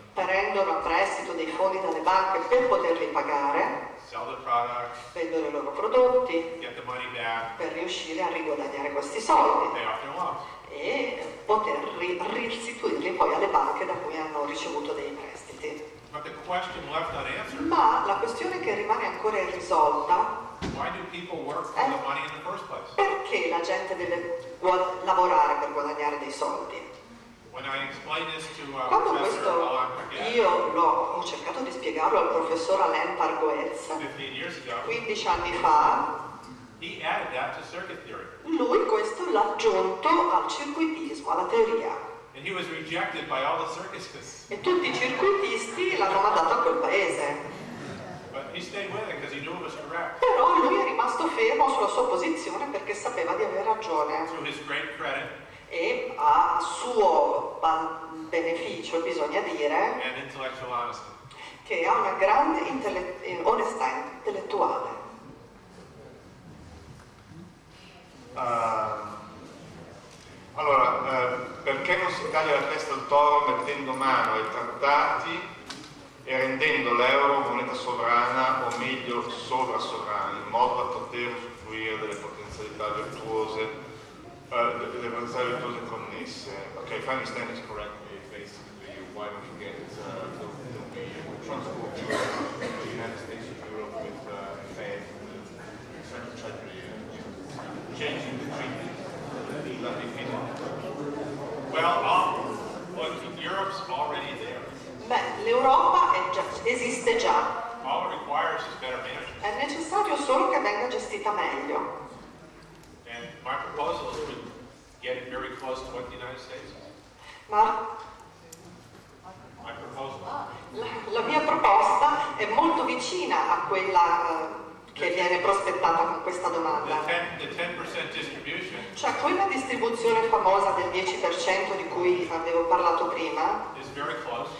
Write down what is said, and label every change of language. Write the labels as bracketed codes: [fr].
[it] prendono a prestito dei fondi dalle banche per poterli pagare, [en] sell the product, [it] vendono i loro prodotti, [en] get the money back, [it] per riuscire a riguadagnare questi soldi [en] pay off their loans, [it] e poter restituirli poi alle banche da cui hanno ricevuto dei prestiti. [en] But the question left unanswered, [it] ma la questione che rimane ancora irrisolta, [en] why do people work for the money in the first place? [it] Perché la gente deve lavorare per guadagnare dei soldi? [en] When I explained this to [it] quando questo io ho cercato di spiegarlo al professor Alain Parguez 15 anni fa, [en] he added that to circuit theory. [it] Lui questo l'ha aggiunto al circuitismo, alla teoria. [en] And he was rejected by all the circuses. [it] E tutti i circuitisti l'hanno mandato a quel paese. [en] He stayed with it because he knew it was correct. [it] Però lui è rimasto fermo sulla sua posizione perché sapeva di avere ragione. [en] To his great credit. [it] E a suo beneficio bisogna dire [en] and intellectual honesty. [it] Che ha una grande onestà intellettuale. Allora, perché non si taglia la testa al toro mettendo mano ai trattati e rendendo l'euro moneta sovrana, o meglio sovrasovrana, in modo da poter usufruire delle potenzialità virtuose, delle potenzialità virtuose connesse. [en] Ok, Feinstein is correct, basically, why don't you get the transport to the United States of Europe with the Fed, with the Treasury, changing the treaties that they fit on? Well, Europe's already there. [it] Beh, l'Europa esiste già. [en] All it requires is better management. [it] È necessario solo che venga gestita meglio. [en] And my proposal is to get it very close to what the United States is. [it] Ma [en] my proposal. Ah, [it] la mia proposta è molto vicina a quella che viene prospettata con questa domanda. [en] The 10% distribution. [it] Cioè quella distribuzione famosa del 10% di cui avevo parlato prima. [en] Is very close.